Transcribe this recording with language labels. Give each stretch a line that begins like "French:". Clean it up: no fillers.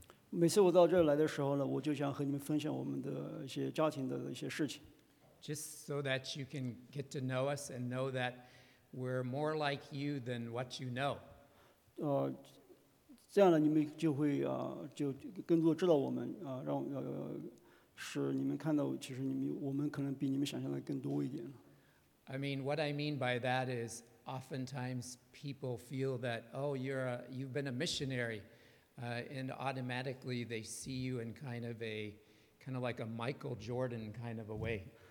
Chinese: 每次我到这儿来的时候呢, 我就想和你们分享我们的一些家庭的一些事情。
English: Just so that you can get to know us and know that we're more like you than what you know.
Chinese: 这样呢，你们就会更多知道我们，让使你们看到，其实你们我们可能比你们想象的更多一点。
English: I mean, what I mean by that is, oftentimes people feel that, oh, you've been a missionary, and automatically they see you in kind of like a Michael Jordan kind of a way.